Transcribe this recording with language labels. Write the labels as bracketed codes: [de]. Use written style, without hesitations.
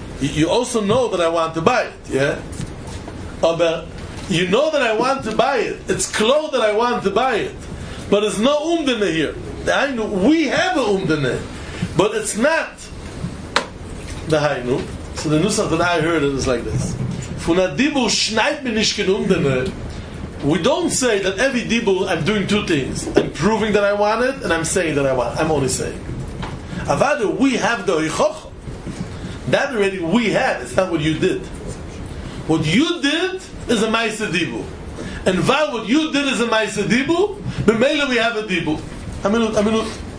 [en] You also know that I want to buy it, yeah? But you know that I want to buy it. It's close that I want to buy it. But it's no umdene here. We have a umdene. But it's not the hainu. So the nusach that I heard it is like this. [yi] Fun a dibul schneit mir nicht kein umdene. [en] We don't say that every dibul, I'm doing two things. I'm proving that I want it, and I'm saying that I want it. I'm only saying. Avadu, we have the hichoch. That already we had. It's not what you did. What you did is a ma'aseh dibul. And while what you did is a ma'aseh dibul, b'meila we have a dibul. Aminut.